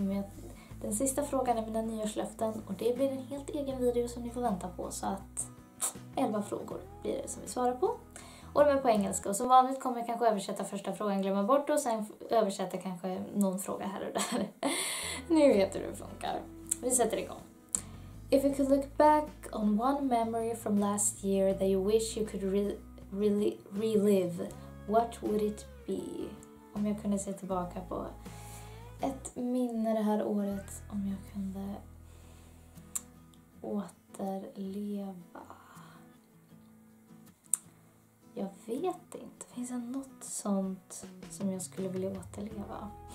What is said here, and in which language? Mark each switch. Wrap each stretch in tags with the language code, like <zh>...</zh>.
<sv>Men den sista frågan är mina nyårslöften. Och det blir en helt egen video som ni får vänta på. Så att 11 frågor blir det som vi svarar på. Och de är på engelska. Och som vanligt kommer jag kanske översätta första frågan. Glömma bort och sen översätta kanske någon fråga här och där. Nu vet du hur det funkar. Vi sätter igång.</sv> <en>If you could look back on one memory from last year that you wish you could relive, what would it be?</en> <sv>Om jag kunde se tillbaka på ett minne det här året, om jag kunde återleva. Jag vet inte. Finns det något sånt som jag skulle vilja återleva?</sv>